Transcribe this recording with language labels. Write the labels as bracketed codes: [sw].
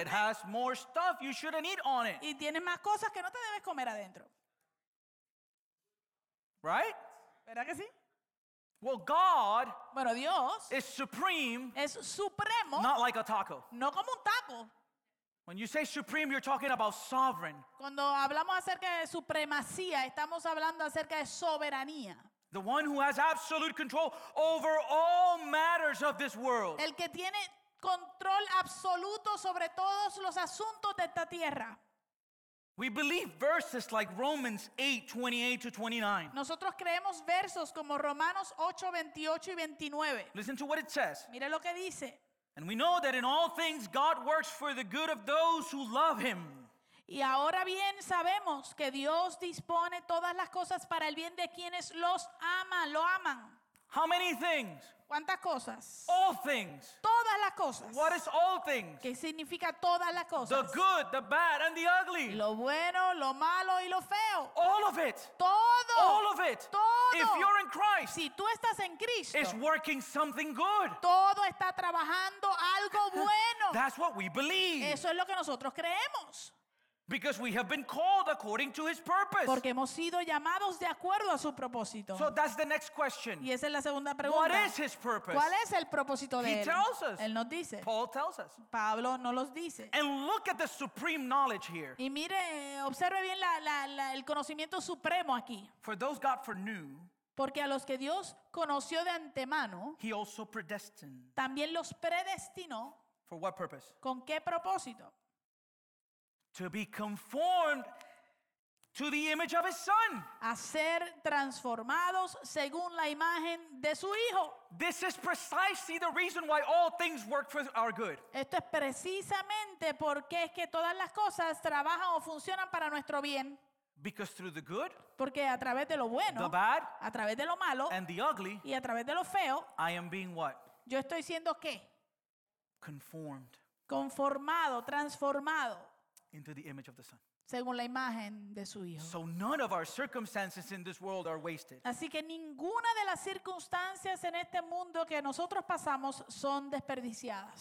[en] It has more stuff you shouldn't eat on it. [es] Y tiene más cosas que no te debes comer adentro. [en] Right? [es] ¿Verdad que sí? [en] Well, God, [es] bueno, Dios, [en] is supreme. [es] Es supremo. [en] Not like a taco. [es] No como un taco. [en] When you say supreme, you're talking about sovereign. [es] Cuando hablamos acerca de supremacía, estamos hablando acerca de soberanía. [en] The one who has absolute control over all matters of this world. [es] El que tiene control absoluto sobre todos los asuntos de esta tierra. [en] We believe verses like Romans 8:28-29. [es] Nosotros creemos versos como Romanos 8:28-29. [en] Listen to what it says. [es] Mire lo que dice. [en] And we know that in all things God works for the good of those who love him. [es] Y ahora bien sabemos que Dios dispone todas las cosas para el bien de quienes los aman, lo aman. [en] How many things? [es] ¿Cuántas cosas? [en] All things. [es] Todas las cosas. [en] What is all things? [es] ¿Qué significa todas las cosas? [en] The good, the bad, and the ugly. [es] Lo bueno, lo malo, y lo feo. [en] All of it. [es] Todo. [en] All of it. [es] Todo. [en] If you're in Christ, [es] si tú estás en Cristo, [en] it's working something good. [es] Todo está trabajando algo bueno. [en] That's what we believe. [es] Eso es lo que nosotros creemos. [en] Because we have been called according to his purpose. [es] Porque hemos sido llamados de acuerdo a su propósito. [en] So that's the next question. [es] Y esa es la segunda pregunta. [en] What is his purpose? [es] ¿Cuál es el propósito de él? [en] He tells us. [es] Él nos dice. [en] Paul tells us. [es] Pablo nos los dice. [en] And look at the supreme knowledge here. [es] Y mire, observe bien el conocimiento supremo aquí. [en] For those God foreknew. [es] Porque a los que Dios conoció de antemano. [en] He also predestined. [es] También los predestinó. [en] For what purpose? [es] ¿Con qué propósito? [en] To be conformed to the image of his son. [es] A ser transformados según la imagen de su hijo. [en] This is precisely the reason why all things work for our good. [es] Esto es precisamente porque es que todas las cosas trabajan o funcionan para nuestro bien. [en] Because through the good, [es] porque a través de lo bueno, [en] the bad, [es] a través de lo malo, [en] and the ugly, [es] y a través de lo feo, [en] I am being what? [es] Yo estoy siendo qué? [en] Conformed. [es] Conformado, transformado. [en] Into the image of the Son. [es] Según la imagen de su hijo. [en] So none of our circumstances in this world are wasted. [es] Así que ninguna de las circunstancias en este mundo que nosotros pasamos son desperdiciadas.